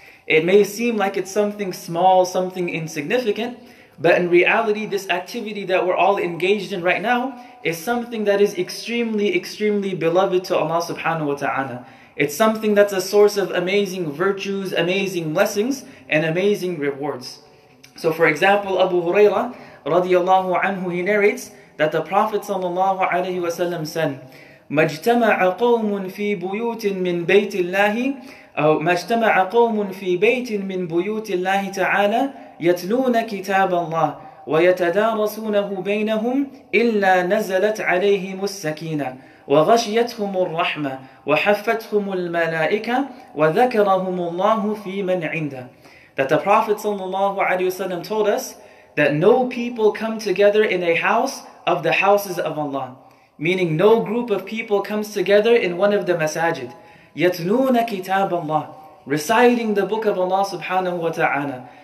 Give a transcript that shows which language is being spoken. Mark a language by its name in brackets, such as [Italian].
[English] It may seem like it's something small, something insignificant, but in reality, this activity that we're all engaged in right now is something that is extremely, extremely beloved to Allah subhanahu wa ta'ala. It's something that's a source of amazing virtues, amazing blessings, and amazing rewards. So for example, Abu Hurairah radiallahu anhu, he narrates that the Prophet sallallahu alayhi wa sallam said, [Arabic] مَجْتَمَعَ قَوْمٌ فِي بُيُوتٍ مِّن بَيْتِ اللَّهِ أو مَجْتَمَعَ قَوْمٌ فِي بَيْتٍ مِّن بُيُوتِ اللَّهِ تَعَالَى يَتْلُونَ كِتَابَ اللَّهِ وَيَتَدَارَسُونَهُ بَيْنَهُمْ إِلَّا نَزَلَتْ عَلَيْهِمُ السَّكِينَةُ وَغَشِيَتْهُمُ الرَّحْمَةُ وَحَفَّتْهُمُ الْمَلَائِكَةُ وَذَكَرَهُمُ اللَّهُ فِي مَنْ عِنْدَهُ. [English] That the Prophet sallallahu alayhi wa sallam told us that no people come together in a house of the houses of Allah, meaning no group of people comes together in one of the masajid. [Arabic] يَتْنُونَ كِتَابَ اللَّهِ, [English] reciting the book of Allah subhanahu wa ta'ala.